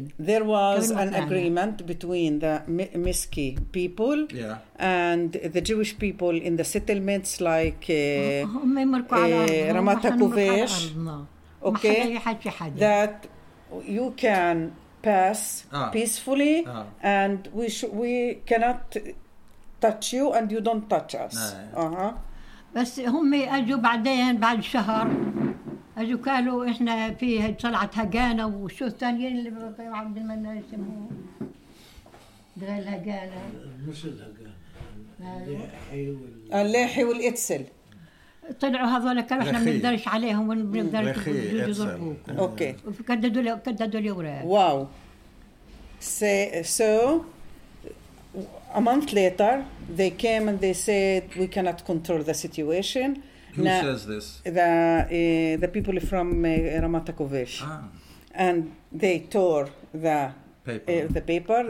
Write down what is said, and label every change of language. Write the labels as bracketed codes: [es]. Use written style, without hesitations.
[en] There was an agreement between the Miski people and the Jewish people in the settlements like Ramat HaKuvesh, okay, that you can pass peacefully and we cannot touch you and you don't touch us. [ar] بس هم أجوا بعدين بعد شهر أجوا قالوا إحنا في طلعة هجانة وشو الثانية اللي بعد ما يسموه دغال هجانة مش الهجانة الليحي والإتسل طلعوا هذول قالوا إحنا منقدرش عليهم ونقدرش يضربوكم أوكي وكددوا لي أوراق [en] Wow so a month later they came and they said we cannot control the situation. Who now, says this? The people from Ramat HaKuvesh. And they tore the paper.